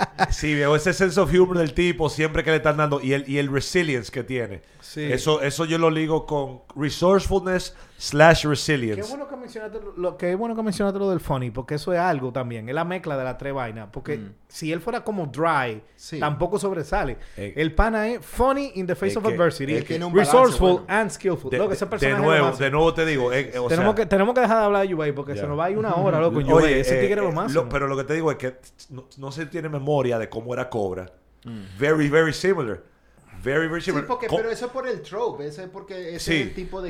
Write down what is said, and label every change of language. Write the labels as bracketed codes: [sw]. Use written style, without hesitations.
[es] Sí, veo ese [en] sense of humor [es] del tipo siempre que le están dando y el resilience que tiene. Sí. Eso yo lo ligo con resourcefulness /resilience. Qué bueno que mencionaste lo del funny, porque eso es algo también. Es la mezcla de las tres vainas. Porque si él fuera como dry, sí, tampoco sobresale. El pana es [en] funny in the face of adversity. Resourceful balance, [es] bueno, [en] and skillful. [es] De nuevo te digo. Tenemos que dejar de hablar de UBA porque se nos va a ir una hora, loco. UBA, ese tigre es lo máximo. Pero lo que te digo es que no se tiene memoria de cómo era Cobra. [en] Mm. Very, very similar. Very, very similar. [es] Sí, porque, pero eso es por el trope. Ese es porque ese sí es el tipo de.